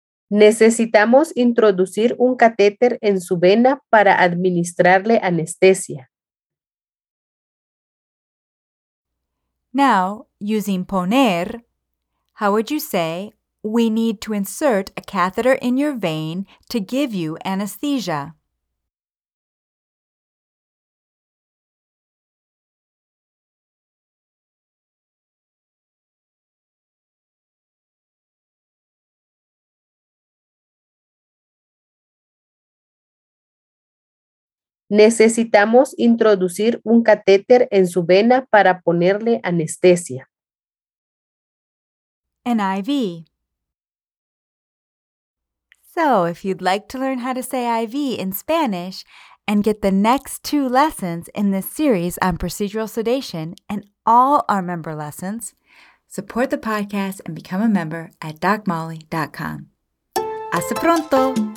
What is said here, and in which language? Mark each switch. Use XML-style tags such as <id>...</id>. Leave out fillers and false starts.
<es>Necesitamos introducir un catéter en su vena para administrarle anestesia.</es> <en>Now, using poner, how would you say, we need to insert a catheter in your vein to give you anesthesia?</en> <es>Necesitamos introducir un catéter en su vena para ponerle anestesia.</es> <en>An IV. So, if you'd like to learn how to say IV in Spanish and get the next two lessons in this series on procedural sedation and all our member lessons, support the podcast and become a member at DocMolly.com.</en> <es>Hasta pronto!</es>